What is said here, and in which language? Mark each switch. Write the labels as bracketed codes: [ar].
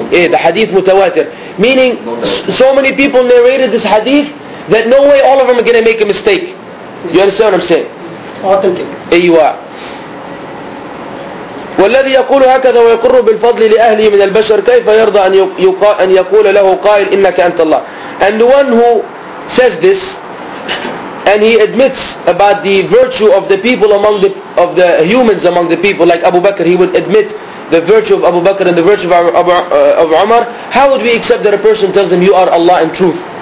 [en] The hadith متواتر, meaning so many people narrated this hadith that no way all of them are going to make a mistake. You understand what I'm saying? Authentic. [ar] أيوة. والذي يقول هكذا ويقر بالفضل لأهله من البشر كيف يرضى أن يقول له قائل إنك أنت الله. [en] And the one who says this and he admits about the virtue of the people among the of the humans among the people, like Abu Bakr, he would admit the virtue of Abu Bakr and the virtue of Umar, how would we accept that a person tells him you are Allah in truth?